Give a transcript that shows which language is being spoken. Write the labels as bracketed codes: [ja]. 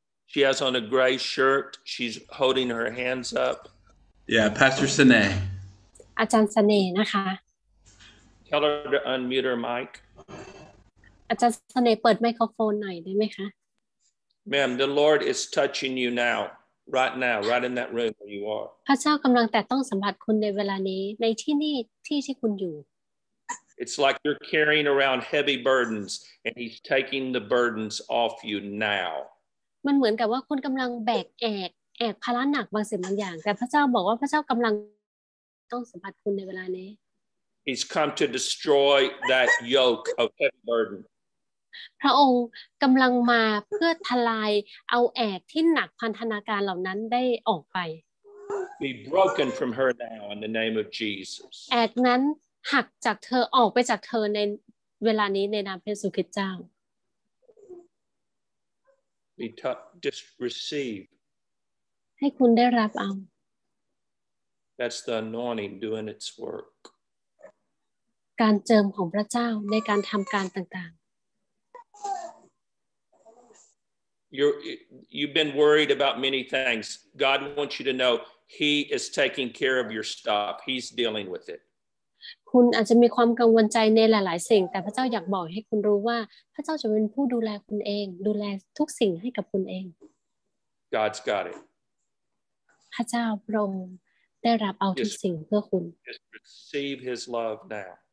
[en] She has on a gray shirt. She's holding her hands up. Yeah, Pastor Sine. [th] อาจารย์สเน่นะคะ [en] Tell her to unmute her mic. [th] อาจารย์สเน่เปิดไมโครโฟนหน่อยได้ไหมคะ [en] Ma'am, the Lord is touching you now. Right now, right in that room where you are. [th] พระเจ้ากำลังแตะต้องสัมผัสคุณในเวลานี้ในที่นี่ที่ที่คุณอยู่ [en] It's like you're carrying around heavy burdens, and He's taking the burdens off you now. [th] มันเหมือนกับว่าคุณกำลังแบกแอกภาระหนักบางสิ่งบางอย่างแต่พระเจ้าบอกว่าพระเจ้ากำลังต้องสัมผัสคุณในเวลานี้ [en] He's come to destroy that yoke of heavy burden. [th] พระองค์กำลังมาเพื่อทลายเอาแอกที่หนักพันธนาการเหล่านั้นได้ออกไป [en] Be broken from her now in the name of Jesus [th] แอกนั้นหักจากเธอออกไปจากเธอในเวลานี้ในนามพระเยซูคริสต์เจ้า [en] Be touched just receive [th] ให้คุณได้รับเอา [en] That's the anointing doing its work [th] การเจิมของพระเจ้าในการทำการต่างๆ [en] You've been worried about many things. God wants you to know He is taking care of your stuff. He's dealing with it. [th] คุณอาจจะมีความกังวลใจในหลายๆสิ่งแต่พระเจ้าอยากบอกให้คุณรู้ว่าพระเจ้าจะเป็นผู้ดูแลคุณเองดูแลทุกสิ่งให้กับคุณเอง [en] God's got it. [th] พระเจ้าพระองค์ได้รับเอาทุกสิ่งเพื่อคุณ [en] Just receive His love now.